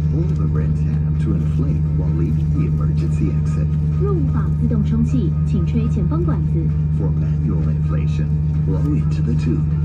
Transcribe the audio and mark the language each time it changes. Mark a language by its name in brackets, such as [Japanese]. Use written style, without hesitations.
[English] Pull the red tab to inflate while leaving the emergency exit. [Chinese] 若无法自动充气，请吹前方管子。 [English] For manual inflation, blow into the tube.